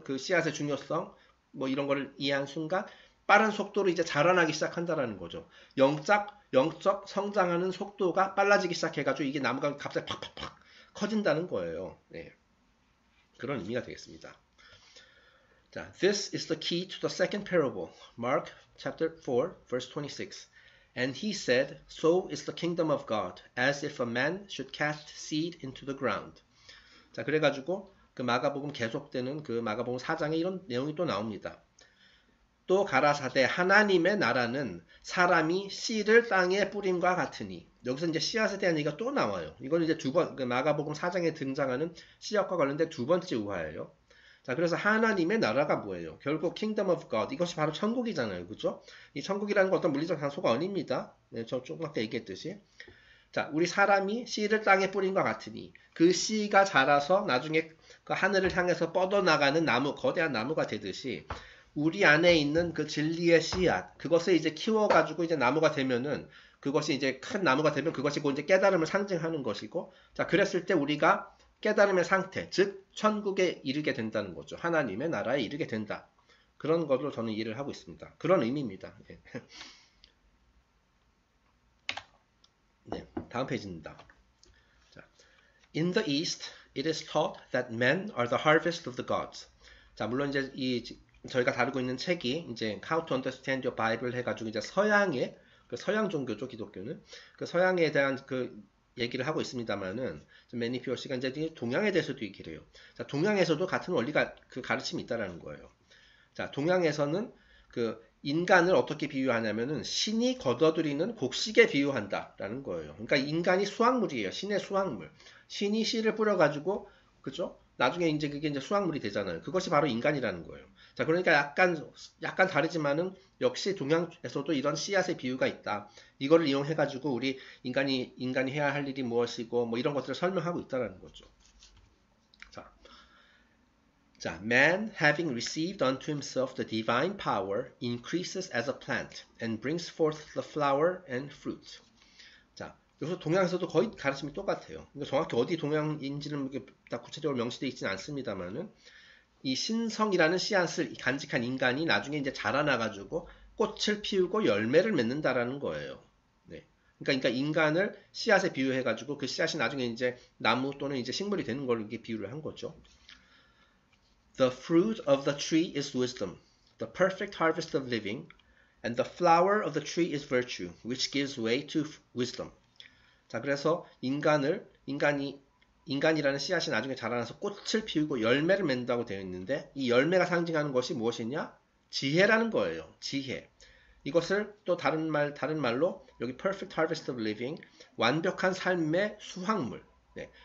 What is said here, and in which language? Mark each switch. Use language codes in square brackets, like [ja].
[ko] 그 씨앗의 중요성, 뭐 이런 거를 이해한 순간, 빠른 속도로 이제 자라나기 시작한다라는 거죠. 영적 성장하는 속도가 빨라지기 시작해가지고 이게 나무가 갑자기 팍팍팍 커진다는 거예요. 네. 그런 의미가 되겠습니다. [en] 자, This is the key to the second parable. Mark chapter 4, verse 26. And he said, So is the kingdom of God, as if a man should cast seed into the ground. [ko] 자, 그래가지고 그 마가복음 계속되는 그 마가복음 4장에 이런 내용이 또 나옵니다. 또 가라사대 하나님의 나라는 사람이 씨를 땅에 뿌림과 같으니 여기서 이제 씨앗에 대한 얘기가 또 나와요. 이건 이제 두번그 마가복음 4장에 등장하는 씨앗과 관련된 두 번째 우화예요. 자, 그래서 하나님의 나라가 뭐예요? 결국 Kingdom of God 이것이 바로 천국이잖아요, 그렇죠? 이 천국이라는 것도 물리적 장소가 아닙니다. 네, 저 조금 아까 얘기했듯이. 자, 우리 사람이 씨를 땅에 뿌림과 같으니 그 씨가 자라서 나중에 그 하늘을 향해서 뻗어나가는 나무, 거대한 나무가 되듯이. 우리 안에 있는 그 진리의 씨앗, 그것을 이제 키워가지고 이제 나무가 되면은, 그것이 이제 큰 나무가 되면 그것이 곧 이제 깨달음을 상징하는 것이고, 자, 그랬을 때 우리가 깨달음의 상태, 즉, 천국에 이르게 된다는 거죠. 하나님의 나라에 이르게 된다. 그런 것으로 저는 이해를 하고 있습니다. 그런 의미입니다. 네. 네, 다음 페이지입니다. [en] 자, In the East, it is taught that men are the harvest of the gods. [ko] 자, 물론 이제 이, 저희가 다루고 있는 책이 이제 How to Understand Your Bible 해가지고 이제 서양의 그 서양 종교죠 기독교는 그 서양에 대한 그 얘기를 하고 있습니다만은 매니피어 씨가 이제 동양에 대해서도 얘기를 해요. 자 동양에서도 같은 원리가 그 가르침이 있다라는 거예요. 자 동양에서는 그 인간을 어떻게 비유하냐면은 신이 거둬들이는 곡식에 비유한다라는 거예요. 그러니까 인간이 수확물이에요. 신의 수확물. 신이 씨를 뿌려가지고 그죠? 나중에 이제 그게 이제 수확물이 되잖아요. 그것이 바로 인간이라는 거예요. 자, 그러니까 약간 다르지만은 역시 동양에서도 이런 씨앗의 비유가 있다. 이거를 이용해가지고 우리 인간이 해야 할 일이 무엇이고 뭐 이런 것들을 설명하고 있다라는 거죠. [en] 자, man having received unto himself the divine power increases as a plant and brings forth the flower and fruit. [ko] 여기서 동양에서도 거의 가르침이 똑같아요. 정확히 어디 동양인지는 딱 구체적으로 명시되어 있지는 않습니다만은 이 신성이라는 씨앗을 간직한 인간이 나중에 이제 자라나가지고 꽃을 피우고 열매를 맺는다라는 거예요. 그러니까 인간을 씨앗에 비유해가지고 그 씨앗이 나중에 이제 나무 또는 이제 식물이 되는 걸 이렇게 비유를 한 거죠. [en] The fruit of the tree is wisdom, the perfect harvest of living, and the flower of the tree is virtue, which gives way to wisdom. [ko] 자, 그래서 인간이라는 씨앗이 나중에 자라나서 꽃을 피우고 열매를 맺는다고 되어 있는데, 이 열매가 상징하는 것이 무엇이냐? 지혜라는 거예요. 지혜. 이것을 또 다른 말로, 여기 [en] perfect harvest of living, [ko] 완벽한 삶의 수확물. 네.